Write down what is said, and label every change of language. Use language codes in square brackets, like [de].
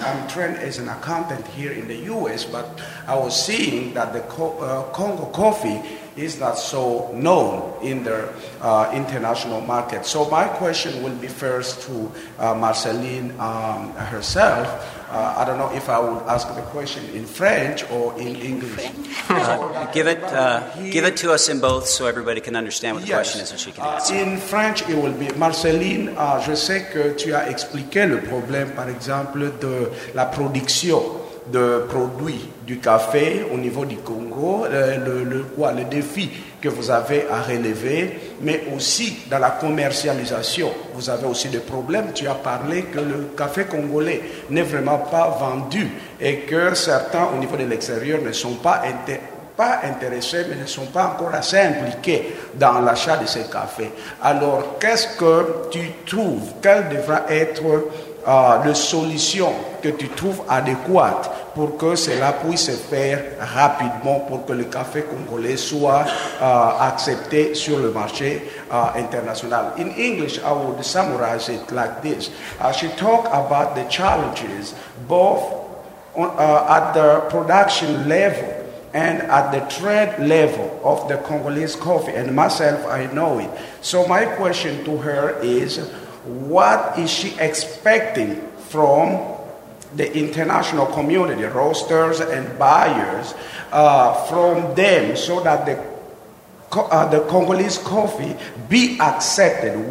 [en] I'm trained as an accountant here in the U.S., but I was seeing that the Congo coffee is not so known in the international market. So my question will be first to Marceline herself. I don't know if I will ask the question in French or in English. Give it to us in both so everybody can understand what the question is and she can answer. In French, it will be, [fr] Marceline, je sais que tu as expliqué le problème, par exemple, de la production de produits du café au niveau du Congo, le défi que vous avez à relever, mais aussi dans la commercialisation. Vous avez aussi des problèmes. Tu as parlé que le café congolais n'est vraiment pas vendu et que certains au niveau de l'extérieur ne sont pas intéressés, mais ne sont pas encore assez impliqués dans l'achat de ces cafés. Alors, qu'est-ce que tu trouves? Quelle devra être la solution que tu trouves adéquate pour que cela puisse se faire rapidement, pour que le café congolais soit accepté sur le marché international? [en] In English, I would summarize it like this. She talked about the challenges both at the production level and at the trade level of the Congolese coffee. And myself, I know it. So my question to her is, what is she expecting from the international community, roasters and buyers, from them so that the Congolese coffee be accepted?